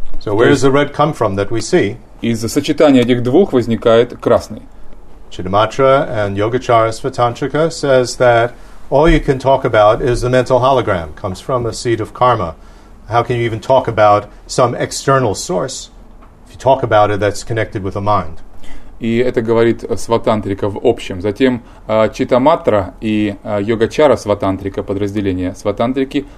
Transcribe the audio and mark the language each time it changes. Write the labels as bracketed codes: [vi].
[en] So where does the red come from that we see? [ru] Из-за сочетания этих двух возникает красный. [en] Chidamatra and Yogacara Svatantrika says that all you can talk about is the mental hologram, comes from a seed of karma. How can you even talk about some external source if you talk about it that's connected with a mind? [ru] И это говорит Сватантрика в общем. Затем Читаматра и Йогачара Сватантрика, подразделение Сватантрики.